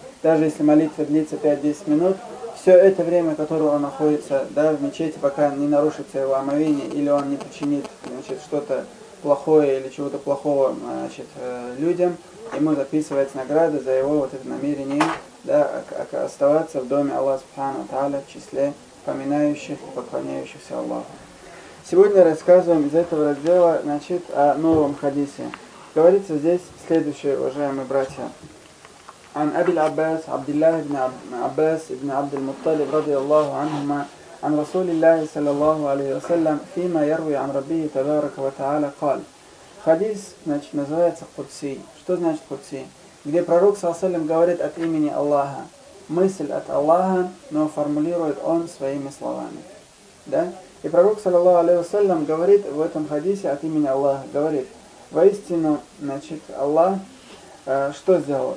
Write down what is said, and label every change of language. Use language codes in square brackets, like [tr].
[ru] Даже если молитва длится 5-10 минут, все это время, которое он находится, да, в мечети, пока не нарушится его омовение или он не причинит, значит, что-то плохое или чего-то плохого, значит, людям, ему записывается награда за его вот это намерение, да, оставаться в доме Аллаха Субхану Тааля в числе поминающих и поклоняющихся Аллаху. Сегодня рассказываем из этого раздела, значит, о новом хадисе. Говорится здесь следующее, уважаемые братья. [ar] عن أبي العباس عبد الله بن عباس بن عبد المطلب رضي الله عنهما عن رسول الله صلى الله عليه وسلم فيما يروي عن ربه تبارك وتعالى قال. [ru] Хадис, значит, называется Кудси. Что значит Кудси? Где пророк саллаллаху алейхи ва саллям говорит от имени Аллаха, мысль от Аллаха, но формулирует он своими словами. Да? И пророк саллаллаху алейхи ва саллям говорит в этом хадисе от имени Аллаха, говорит: «Воистину, значит, Аллах что сделал?